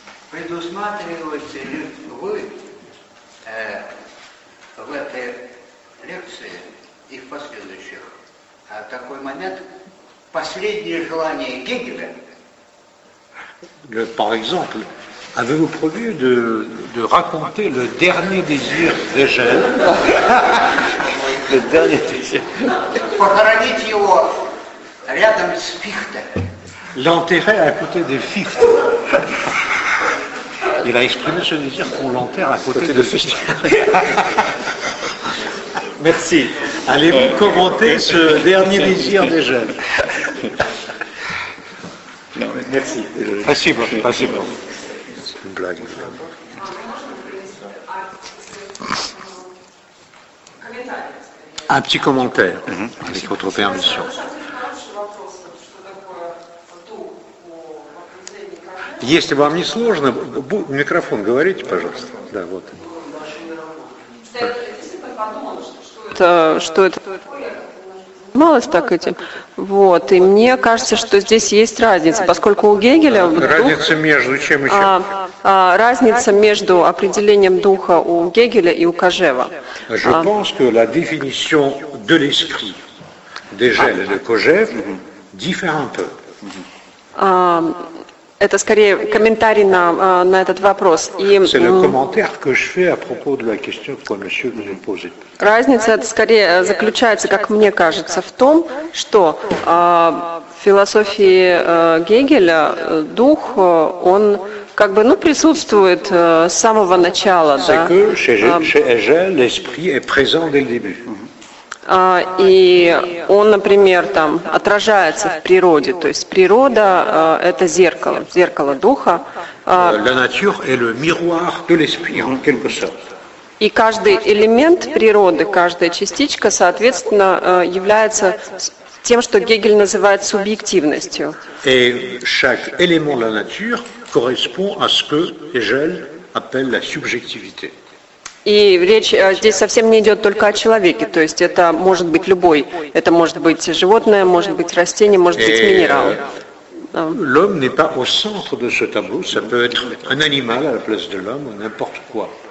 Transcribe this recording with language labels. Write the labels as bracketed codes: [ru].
[ru] Предусматриваете ли вы в этой лекции и в последующих такой момент последнее желание Гегеля? [fr] Par exemple. Avez-vous prévu de raconter le dernier désir d'Hegel? Le dernier désir. [ru] Похоронить его рядом с Фихте. [fr] L'enterrer à côté de Fichte. Il a exprimé ce désir qu'on l'enterre à côté de Fichte. Merci. Allez-vous commenter ce dernier désir d'Hegel? Non, merci. Merci beaucoup. Un petit commentaire, avec votre permission. [ru] Если вам не сложно, микрофон говорите, пожалуйста. Да, вот. Что это? Малость так этим. Вот. И мне кажется, что здесь есть разница, поскольку у Гегеля... Разница между чем и чем? Разница между определением духа у Гегеля и у Кожева. [fr] Je pense que la définition de l'esprit d'Hegel et de Kojève diffère un peu. [ru] Это скорее комментарий на этот вопрос. [fr] C'est le commentaire que je fais à propos de la question que monsieur vous a posée. [ru] Разница скорее заключается, как мне кажется, в том, что в философии Гегеля дух, он как бы, ну, присутствует с самого начала, да. [fr] C'est que chez Hegel, l'esprit est présent dès le début. [ru] И он, например, там отражается в природе, то есть природа это зеркало, зеркало духа. [fr] La nature est le miroir de l'esprit, en quelque sorte. [ru] И каждый элемент природы, каждая частичка, соответственно, является тем, что Гегель называет субъективностью. [fr] Et chaque élément de la nature correspond à ce que Hegel appelle la subjectivité. [ru] И речь здесь совсем не идет только о человеке, то есть это может быть любой, это может быть животное, может быть растение, может быть минерал. [fr] L'homme n'est pas au centre de ce tableau, ça peut être un animal à la place de l'homme, n'importe quoi.